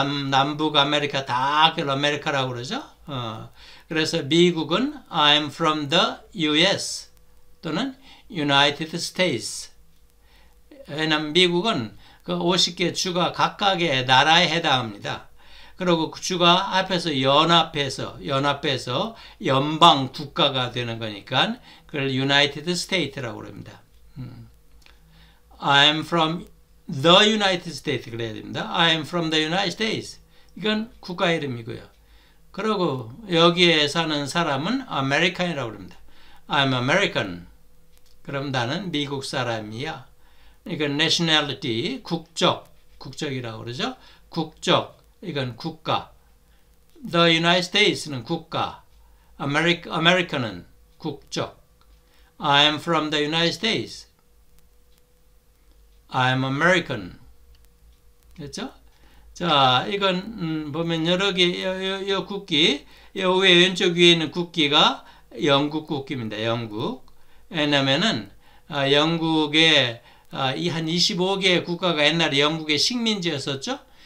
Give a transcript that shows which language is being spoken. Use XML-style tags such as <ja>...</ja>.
<ko>남북 아메리카 다 그걸 아메리카라고 그러죠. 그래서 미국은</ko> <en>I am from the US</en> <ko>또는</ko> <en>United States.</en> <ko>왜냐면 미국은 그 50개 주가 각각의 나라에 해당합니다. 그리고 그 주가 앞에서 연합해서 연방 국가가 되는 거니까 그걸 United States라고 합니다.</ko> <en>I am from the United States 그래야 됩니다. I am from the United States.</en> <ko>이건 국가 이름이고요. 그리고 여기에 사는 사람은 아메리칸이라고 합니다.</ko> <en>I'm American.</en> <ko>그럼 나는 미국 사람이야. 이건 nationality, 국적이라고 그러죠. 국적, 이건 국가.</ko> <en>The United States는</en> <ko>국가. American은 국적.</ko> <en>I am from the United States. I am American.</en> <ko>됐죠? 자, 이건 보면 여러 개, 요 국기, 요 위에 왼쪽 위에 있는 국기가 영국 국기입니다. 영국. 왜냐면은 영국의 이한 25개의 국가가 옛날에 영국의 식민지였었죠.</ko>